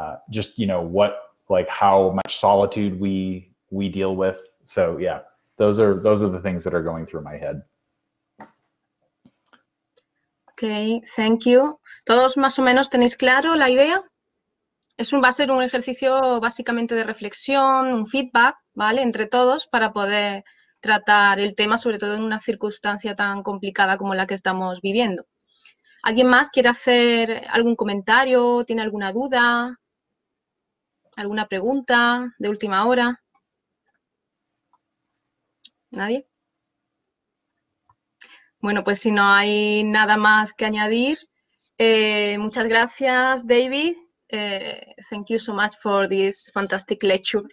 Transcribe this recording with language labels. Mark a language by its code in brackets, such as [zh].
[en] Just, you know, what, like how much solitude we deal with. So yeah, those are the things that are going through my head. Okay, thank you. [es] ¿Todos más o menos tenéis claro la idea? Va a ser un ejercicio básicamente de reflexión, un feedback, ¿vale? Entre todos para poder tratar el tema, sobre todo en una circunstancia tan complicada como la que estamos viviendo. ¿Alguien más quiere hacer algún comentario? ¿Tiene alguna duda? ¿Alguna pregunta de última hora? ¿Nadie? Bueno, pues si no hay nada más que añadir, muchas gracias, David. [en] Thank you so much for this fantastic lecture.